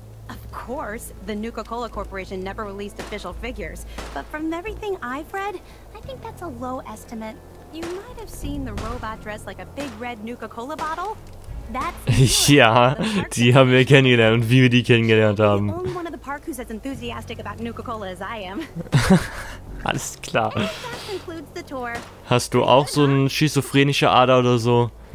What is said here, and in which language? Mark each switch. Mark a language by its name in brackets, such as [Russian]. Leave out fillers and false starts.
[English] Of course, the Nuka-Cola Corporation never released official figures, but from everything I've read, I think that's a low estimate. You might have seen the robot dressed like a big red Nuka-Cola bottle. That's [German] ja, die haben wir kennengelernt und wie wir die kennengelernt haben. [English] You're the only one of the park who's as enthusiastic about Nuka-Cola as I am. [German] Alles klar. [English] And that concludes the tour. [German] Hast du auch so eine schizophrenische Ader oder so?